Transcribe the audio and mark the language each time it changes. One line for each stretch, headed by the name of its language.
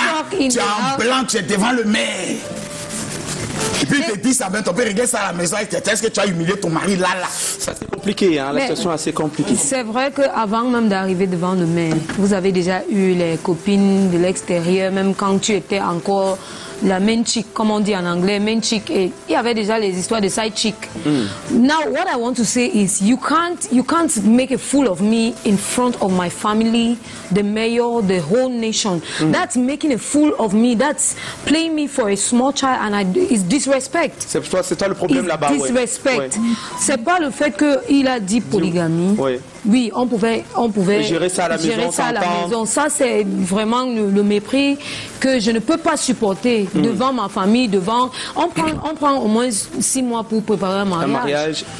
French: Tu es en blanc, tu es devant le maire. Et puis il te dit ça, ben ton père regarde ça à la maison et est-ce que tu as humilié ton mari là. Ça c'est compliqué, hein, la situation est assez compliquée. C'est vrai qu'avant même d'arriver devant le maire, vous avez déjà eu les copines de l'extérieur, même quand tu étais encore la main chick, comme on dit en anglais, main chick, et il y avait déjà les histoires de side chick.
English: Now what I want to say is you can't make a fool of me in front of my family, the mayor, the whole nation. That's making a fool of me, that's playing me for a small child, and it's disrespect.
French: C'est toi le problème,
English: it's
French: là-bas,
English: disrespect.
French: Ouais. C'est pas le fait que il a dit polygamie. Oui, on pouvait gérer ça à la maison. Ça, c'est vraiment le mépris que je ne peux pas supporter devant ma famille, devant... On prend au moins 6 mois pour préparer un mariage.